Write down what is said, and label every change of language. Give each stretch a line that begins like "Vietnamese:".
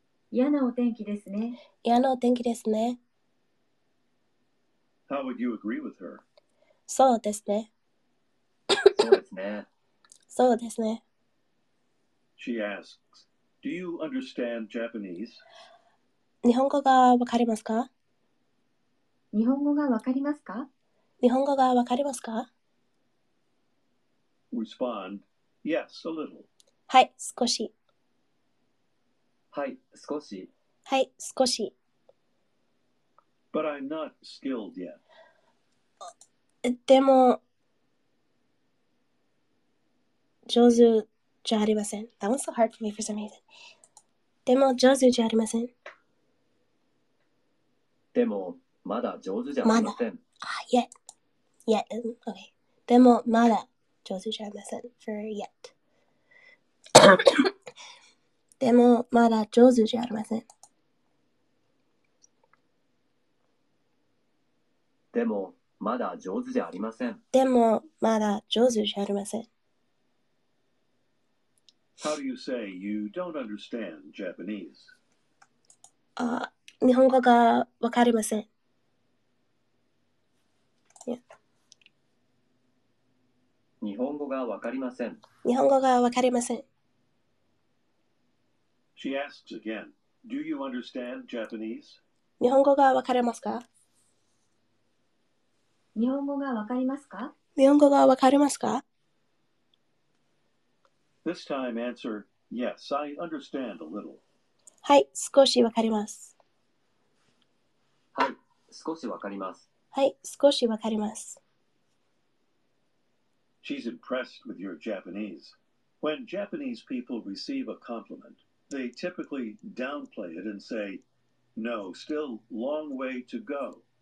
Japanese: 嫌なお天気ですね。嫌なお天気ですね。
English: How would you agree with her?
Japanese: そうですね。そうですね。そうですね。
English: She asks, "Do you understand Japanese?"
Japanese: 日本語がわかりますか？日本語がわかりますか？日本語がわかりますか？
English: Respond, "Yes, a little."
Japanese: はい、少し。はい、少し。はい、少し。
English: But I'm not skilled yet.
Japanese: でも上手。じゃありません。
English: That was so hard for me for some reason.
Japanese: でも上手じゃありません。でもまだ上手じゃありません。まだ。
English: Yet. Yet. Okay.
Japanese: でもまだ上手じゃありません。
English: For yet.
Japanese: でもまだ上手じゃありません。でもまだ上手じゃありません。でもまだ上手じゃありません。
English: How do you say you don't understand Japanese?
Japanese: 日本語がわかりません。
English: Yeah.
Japanese: 日本語がわかりません。日本語がわかりません。
English: She asks again, "Do you understand Japanese?"
Japanese: 日本語がわかりますか？日本語がわかりますか？日本語がわかりますか？
English: This time answer, yes, I understand a little.
Japanese: はい、少しわかります。はい、少しわかります。はい、少しわかります。
English: She's impressed with your Japanese. When Japanese people receive a compliment, they typically downplay it and say, no, still long way to go.